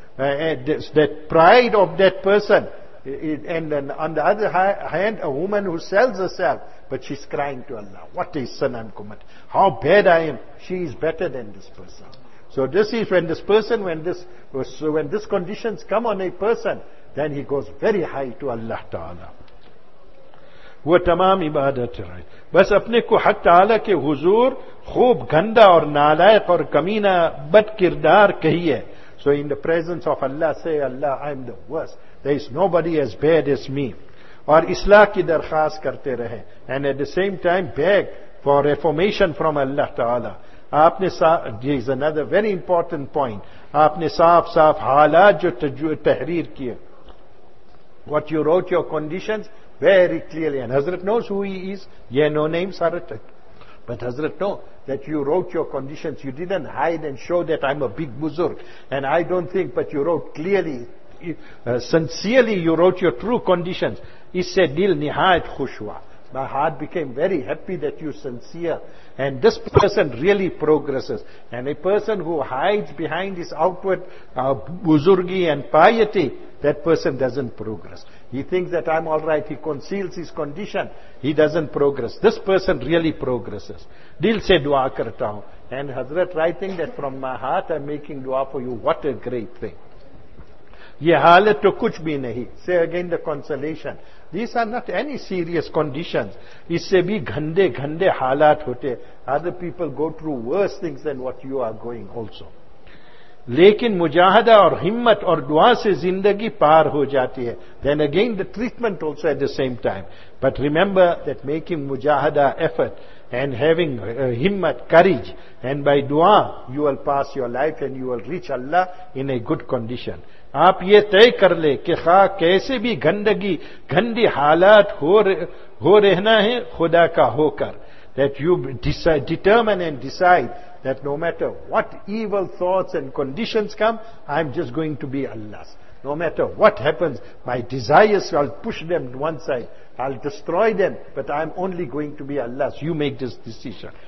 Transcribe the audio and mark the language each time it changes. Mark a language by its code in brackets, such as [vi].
[en] That pride of that person, and on the other hand, a woman who sells herself, but she's crying to Allah, what a sin I'm committing, how bad I am, she is better than this person. So this is when this conditions come on a person, then he goes very high to Allah Ta'ala. [ur] وہ تمام عبادت رہے بس اپنے کو حق تعالیٰ کے حضور خوب گندا اور نالائق اور کمینہ بد کردار کہیے. [en] So in the presence of Allah, say, Allah, I am the worst. There is nobody as bad as me. [ur] اور اصلاح کی درخواست کرتے رہے. [en] And at the same time, beg for reformation from Allah Ta'ala. [ur] آپ نے [en] this is another very important point. [ur] آپ نے صاف صاف حالات جو تحریر کیے. [en] What you wrote, your conditions, very clearly. And Hazrat knows who he is. Yeah, no name, Saratak. But Hazrat know that you wrote your conditions. You didn't hide and show that I'm a big buzurg. And I don't think, but you wrote clearly, sincerely you wrote your true conditions. He said, [ur] dil nihayat khushwa. [en] My heart became very happy that you're sincere. And this person really progresses. And a person who hides behind his outward buzurgi and piety, that person doesn't progress. He thinks that I'm all right. He conceals his condition. He doesn't progress. This person really progresses. [ur] Dil se dua karta hu. [en] And Hazrat writing that from my heart I'm making dua for you. What a great thing. [ur] Ye halat to kuch bhi nahi. [en] Say again the consolation. These are not any serious conditions. [ur] Isse bhi ghande ghande halat hote. [en] Other people go through worse things than what you are going also. [ur] لیکن مجاہدہ اور ہمت اور دعا سے زندگی پار ہو جاتی ہے. [en] Then again the treatment also at the same time. But remember that making mujahada effort and having himmat, courage, and by dua you will pass your life and you will reach Allah in a good condition. [ur] آپ یہ طے کر لے کہ خواہ کیسے بھی گندگی گندی حالات ہو رہنا ہے خدا کا ہو کر. [en] that you decide, determine and decide that no matter what evil thoughts and conditions come, I'm just going to be Allah's. No matter what happens, my desires, I'll push them to one side. I'll destroy them, but I'm only going to be Allah's. You make this decision.